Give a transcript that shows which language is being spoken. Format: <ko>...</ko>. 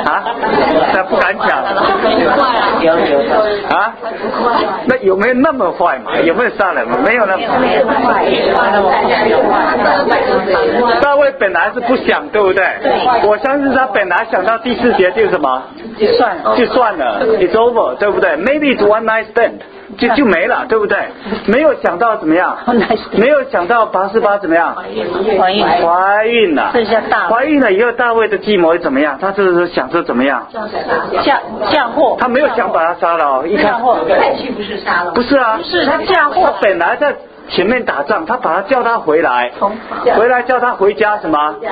<zh>啊，他不敢讲。有啊，那有没有那么坏嘛？有没有杀人嘛？没有那么坏。大卫本来是不想，对不对？我相信他本来想到第四节就什么，就算了</zh> <en>，it's over，</en> <zh>对不对</zh> <en>？Maybe it's one night stand，</en> <zh>就没了，对不对？没有想到怎么样？没有想到拔示巴怎么样？怀孕了，怀孕了以后，大卫的计谋怎么样？他这时候想着怎么样？嫁祸。他没有想把他杀了，一看嫁祸，不是啊，是他嫁祸。他本来在前面打仗，他把他叫他回来，回来叫他回家什么？</zh>